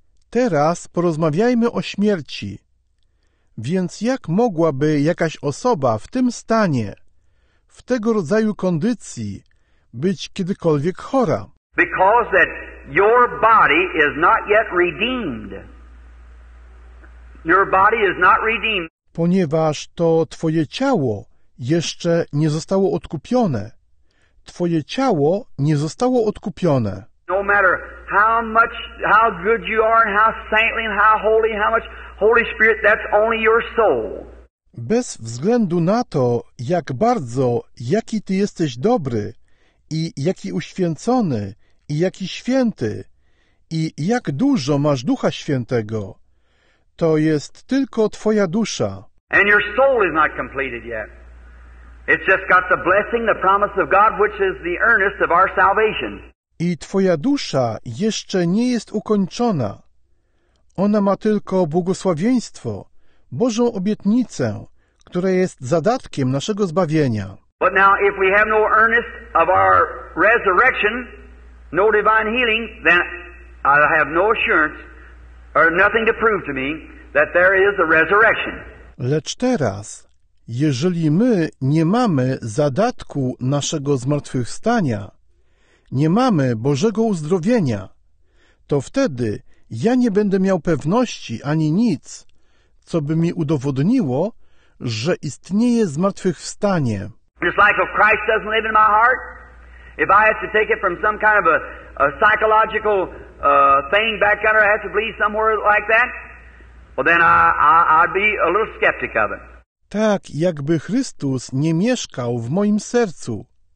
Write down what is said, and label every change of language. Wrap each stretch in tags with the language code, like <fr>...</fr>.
<pl>Teraz porozmawiajmy o śmierci. Więc jak mogłaby jakaś osoba w tym stanie, w tego rodzaju kondycji, być kiedykolwiek chora?</pl> <en>Because that your body is not yet redeemed. Your body is not redeemed.</en> <pl>Ponieważ to twoje ciało jeszcze nie zostało odkupione. Twoje ciało nie zostało odkupione.</pl> <en>No matter how much, how good you are, and how saintly, and how holy, how much Holy Spirit, that's only your soul.</en> <pl>Bez względu na to, jak bardzo, jaki ty jesteś dobry, i jaki uświęcony, i jaki święty, i jak dużo masz Ducha Świętego, to jest tylko twoja dusza.</pl> <en>And your soul is not completed yet. It's just got the blessing, the promise of God, which is the earnest of our salvation.</en> <pl>I twoja dusza jeszcze nie jest ukończona. Ona ma tylko błogosławieństwo, Bożą obietnicę, która jest zadatkiem naszego zbawienia.</pl> <en>But now, if we have no earnest of our resurrection, no divine healing, then I have no assurance or nothing to prove to me that there is a resurrection.</en> <pl>Lecz teraz, jeżeli my nie mamy zadatku naszego zmartwychwstania, nie mamy Bożego uzdrowienia, to wtedy ja nie będę miał pewności ani nic, co by mi udowodniło, że istnieje zmartwychwstanie.</pl> <en>Just like if Christ doesn't live in my heart, if I have to take it from some kind of a psychological thing back under, I have to believe somewhere like that, well then I'd be a little skeptic of it.</en> <pl>Tak, jakby Chrystus nie mieszkał w moim sercu.</pl>